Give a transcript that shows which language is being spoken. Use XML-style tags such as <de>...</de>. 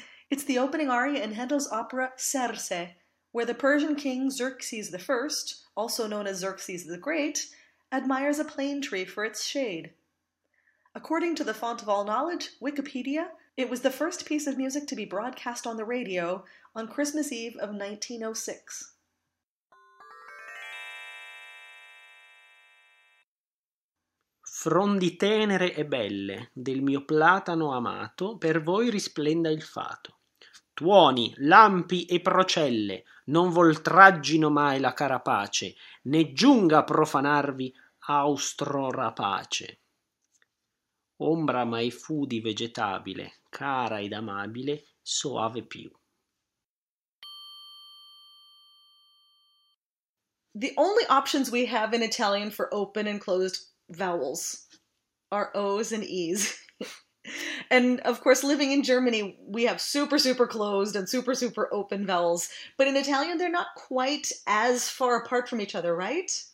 <en>It's the opening aria in Handel's opera Circe, where the Persian king Xerxes I, also known as Xerxes the Great, admires a plane tree for its shade. According to the font of all knowledge, Wikipedia, it was the first piece of music to be broadcast on the radio on Christmas Eve of 1906.</en> <it>Frondi tenere e belle, del mio platano amato, per voi risplenda il fato. Tuoni, lampi e procelle, non voltraggino mai la carapace, né giunga a profanarvi austro rapace. Ombra mai fu di vegetabile, cara ed amabile, soave più.</it> <en>The only options we have in Italian for open and closed vowels are O's and E's. And of course, living in Germany, we have super, super closed and super, super open vowels. But in Italian, they're not quite as far apart from each other, right?</en>